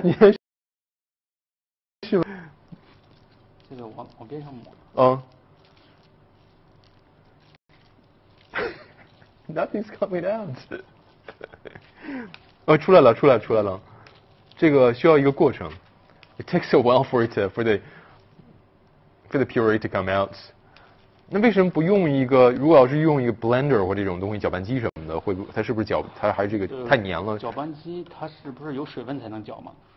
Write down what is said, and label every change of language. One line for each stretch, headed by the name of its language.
Chinese: 你是吗？这个往边上抹。
English: Nothing's coming out.
Chinese: 哦，出来了，出来了，出来了。这个需要一个过程。
English: It takes a while for the puree to come out.
Chinese: 那为什么不用一个？如果要是用一个 blender 或这种东西搅拌机什么？会不它是不是搅它还是这个太黏了？搅拌机它是不是有水分才能搅吗？